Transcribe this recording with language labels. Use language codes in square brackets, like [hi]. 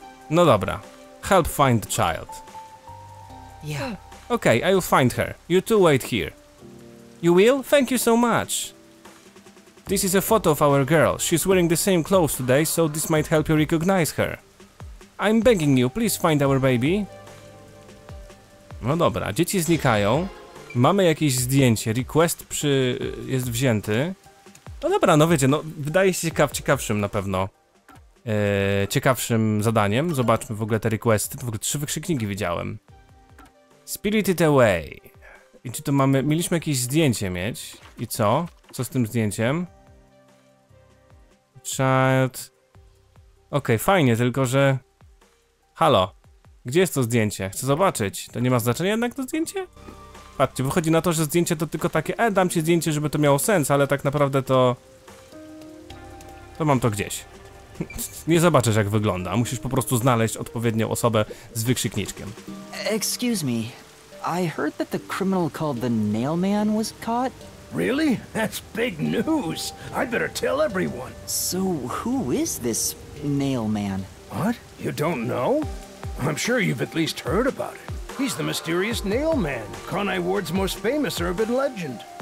[pl] No dobra. [en] Help find the child. Yeah. Okay, I will find her. You two wait here. You will? Thank you so much. This is a photo of our girl. She's wearing the same clothes today, so this might help you recognize her. I'm begging you, please find our baby. [pl] No dobra, dzieci znikają. Mamy jakieś zdjęcie. Request jest wzięty. No dobra, no wiecie, no wydaje się ciekawszym na pewno. Ciekawszym zadaniem. Zobaczmy w ogóle te requesty. W ogóle trzy wykrzykniki widziałem. [en] Spirited away. [pl] I czy to mamy... Mieliśmy jakieś zdjęcie mieć. I co? Co z tym zdjęciem? Child. Okej, fajnie, tylko że... Halo. Gdzie jest to zdjęcie? Chcę zobaczyć. To nie ma znaczenia jednak to zdjęcie? Patrzcie, wychodzi na to, że zdjęcie to tylko takie, dam ci zdjęcie, żeby to miało sens, ale tak naprawdę to... To mam to gdzieś. Nie zobaczysz, jak wygląda. Musisz po prostu znaleźć odpowiednią osobę z wykrzykniczkiem. [en] Excuse me. I heard that the criminal called the nail man was caught. Really? That's big news. I better tell everyone. So who is this nail man? What? You don't know? I'm sure you've at least heard about it. He's the mysterious nail man, Conai Ward's most famous urban legend.